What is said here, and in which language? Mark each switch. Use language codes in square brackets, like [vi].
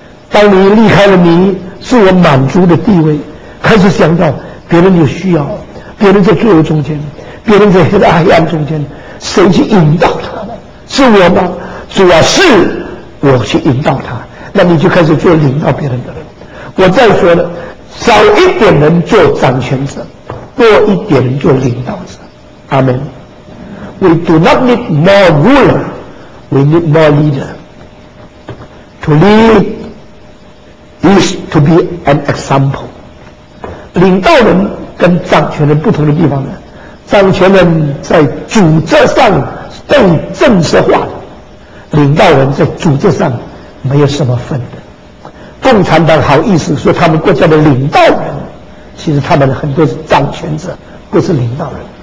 [zh] 当你离开了你自我满足的地位，开始想到别人有需要，别人在罪恶中间，别人在黑暗中间，谁去引导他呢？是我吗？主啊，是我去引导他。那你就开始做领导别人的人。我再说了，少一点人做掌权者，多一点人做领导者。阿们。 [en] We do not need more ruler, we need more leader. To lead is to be an example. [zh] 领导人跟掌权人不同的地方呢，掌权人在组织上被正式化的，领导人在组织上没有什么分的。共产党好意思说他们国家的领导人，其实他们很多是掌权者，不是领导人。